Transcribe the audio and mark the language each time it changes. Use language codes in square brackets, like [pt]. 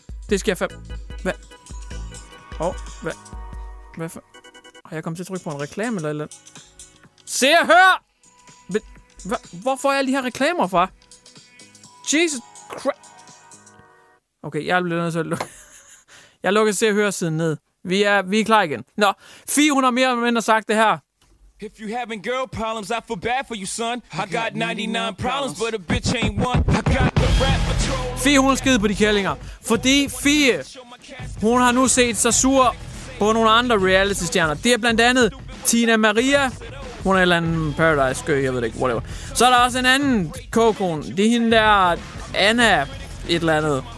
[da] Det skal jeg Hvad? Hvad? Hvad for? Har jeg kommet til at trykke på en reklame eller eller? Se og Hør! Hvor får jeg alle de her reklamer fra? Jesus Christ! Okay, jeg er blevet nødt til at lukke. Jeg lukker Se og Hør siden ned. Vi er klar igen. Nå, 400 mere end at sagt det her. [en] If you having girl problems, I feel bad for you, son. I got 99 problems, but a bitch ain't one. I got the rap patrol. [da] Fie, hun er skide på de kællinger. Fordi Fie, hun har nu set sig sur på nogle andre reality-stjerner. Det er blandt andet Tina Maria. Hun er en eller anden Paradise-gø, jeg ved ikke, whatever. Så er der også en anden kokone. Det er hende der, Anna et eller andet.